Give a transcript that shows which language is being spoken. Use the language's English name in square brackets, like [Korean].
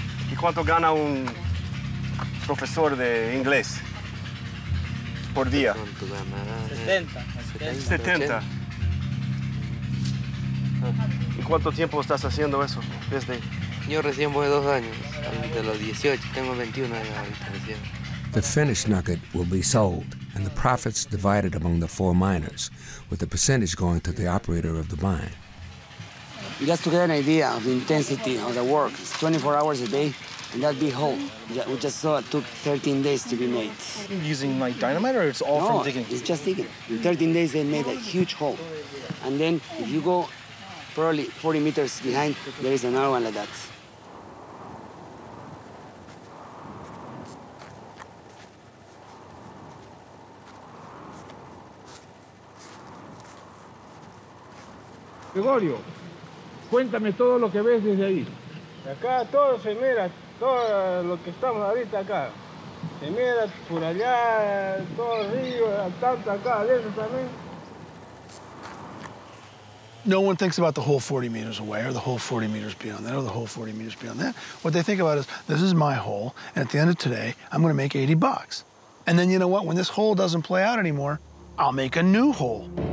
[Spanish] ¿Y cuánto gana un profesor de inglés por día? ¿Cuánto ganará? 70. ¿Y cuánto tiempo estás haciendo eso? Desde... Yo recién voy 2 años, de los 18, tengo 21 años ahorita recién. [English] The finished nugget will be sold, and the profits divided among the 4 miners, with the percentage going to the operator of the mine. Just to get an idea of the intensity of the work, it's 24 hours a day, and that'd be whole. We just saw it took 13 days to be made. Using like dynamite, or it's all no, from digging? No, it's just digging. In 13 days, they made a huge hole. And then if you go probably 40 meters behind, there is another one like that. [Spanish] Gregorio, cuéntame todo lo que ves desde ahí. Acá todo se mira, todo lo que estamos ahorita acá. Se mira por allá, todo el río, tanto acá, adentro también. [English] No one thinks about the hole 40 meters away or the hole 40 meters beyond that or the hole 40 meters beyond that. What they think about is, this is my hole, and at the end of today, I'm gonna make $80. And then you know what? When this hole doesn't play out anymore, I'll make a new hole.